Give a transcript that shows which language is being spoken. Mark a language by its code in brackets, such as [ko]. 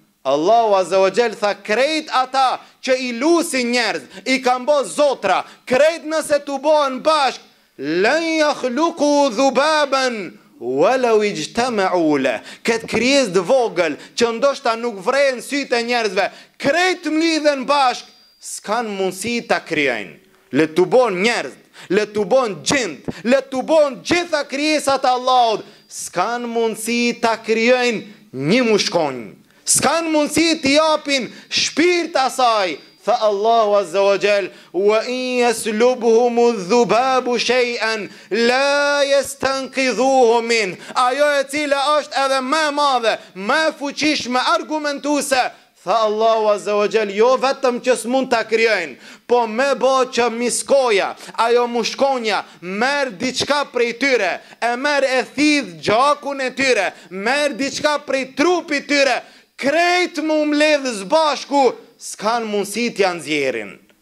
[sq] Allahu Azza wa Jall tha, krejt ata që i lusi njerëz, i kam bo zotra, krejt nëse të bohen bashk, [ar] lënja khluku dhubaben, [sq] walau i gjitha me ule, këtë krijes dë vogël, që ndoshta nuk vrejnë sytë e njerëzve, krejt më lidhen bashk, s'kan mundësi të krijen, le të bohen njerëz, le të bohen gjind, le të bohen gjitha krijesat Allahut, s'kan mundësi të krijen një mushkonjë, s'kan mundësi t'i japin shpirt asaj. [ar] فالله عز وجل وإن يسلبهم الذباب شيئا لا يستنقذوه منه. [sq] Ajo e cila është edhe më e madhe, më e fuqishme, argumentuese, tha Allahu Azza wa Jall, jo vetëm që s'mund ta krijojnë, po më bo që miskoja, ajo mushkonja, merr diçka prej tyre, e merr e thidh gjakun e tyre, merr diçka prej trupit tyre, krejt mu mledh zbashku, s'kan mundësi t'ja nxjerrin.